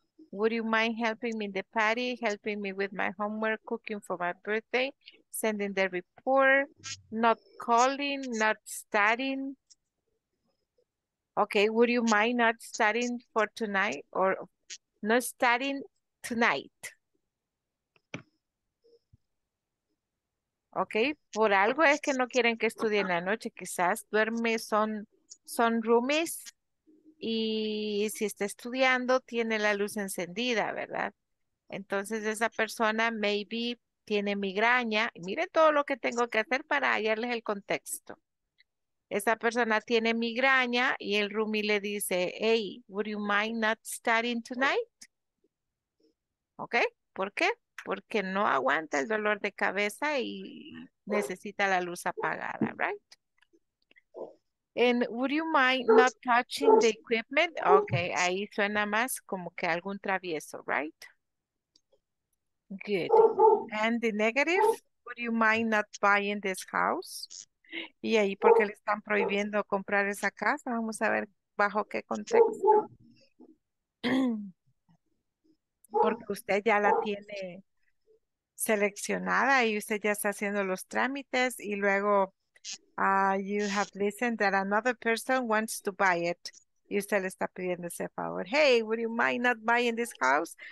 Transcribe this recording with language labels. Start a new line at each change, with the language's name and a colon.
English: Would you mind helping me in the party, helping me with my homework, cooking for my birthday, sending the report, not calling, not studying? Okay, would you mind not studying for tonight or not studying tonight?
Spanish: Okay, por algo es que no quieren que estudien la noche, quizás duerme, son roomies. Y si está estudiando, tiene la luz encendida, ¿verdad? Entonces, esa persona maybe tiene migraña. Mire todo lo que tengo que hacer para hallarles el contexto. Esa persona tiene migraña y el roomie le dice, hey,
English: would you mind not studying tonight?
Spanish: ¿Ok? ¿Por qué? Porque no aguanta el dolor de cabeza y necesita la luz apagada, right?
English: And would you mind not touching the equipment?
Spanish: Okay, ahí suena más como que algún travieso, right?
English: Good. And the negative, would you mind not buying this house?
Spanish: Y ahí, ¿por qué le están prohibiendo comprar esa casa? Vamos a ver bajo qué contexto. Porque usted ya la tiene seleccionada y usted ya está haciendo los trámites y luego...
English: you have listened that another person wants to buy it.
Spanish: Y usted le está pidiendo ese favor.
English: Hey, would you mind not buying this house?